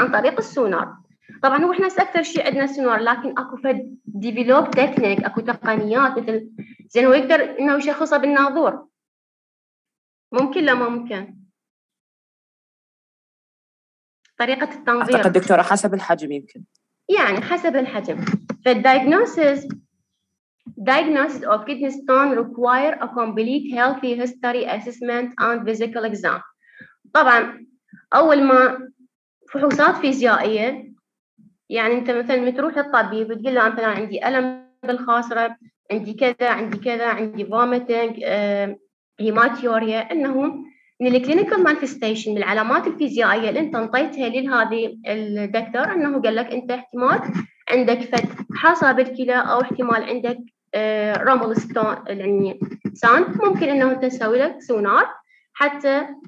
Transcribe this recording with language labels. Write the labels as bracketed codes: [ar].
[ar] عن طريق السونار طبعا هو احنا اكثر شيء عندنا السونار لكن اكو فد ديفلوب تكنيك اكو تقنيات مثل زين ويقدر انه يشخصها بالناظور ممكن لا ممكن طريقه التنظير اعتقد دكتوره حسب الحجم يمكن يعني حسب الحجم فالدايجنوسيس [en] Diagnosis of kidney stone require a complete healthy history assessment and physical exam. [ar] طبعا اول ما فحوصات فيزيائيه يعني انت مثلا متروح الطبيب وتقول له مثلا عندي الم بالخاصره عندي كذا عندي كذا عندي vomiting hematuria انه من الكلينيكال مانيفيستيشن من العلامات الفيزيائيه اللي انت انطيتها لهذه الدكتور انه قال لك انت احتمال عندك فت حصى بالكلى او احتمال عندك رامبل ستون يعني سان ممكن انه تسوي لك سونار حتى